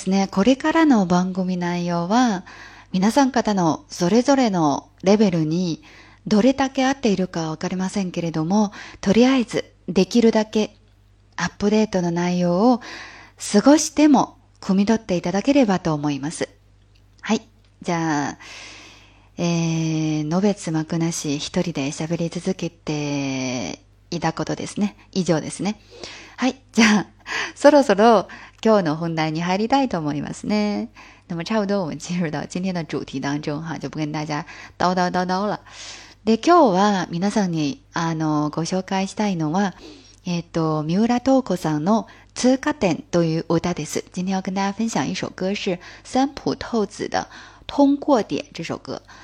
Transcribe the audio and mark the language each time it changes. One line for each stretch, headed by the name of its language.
Japanese: これからの番組内容は皆さん方のそれぞれのレベルにどれだけ合っているかは分かりませんけれども、とりあえずできるだけアップデートの内容を少しでも汲み取っていただければと思います。はい、じゃあ、のべつ幕なし一人で喋り続けていたことですね、以上ですね。はい、じゃあそろそろ今日の本題に入りたいと思いますね。
Chinese: 那么差不多我们进入到今天的主题当中哈，就不跟大家叨叨叨叨了。
Japanese: で、今日は皆さんにご紹介したいのは、三浦透子さんの通過点という歌です。
Chinese: 今天要跟大家分享一首歌是三浦透子的通过点这首歌。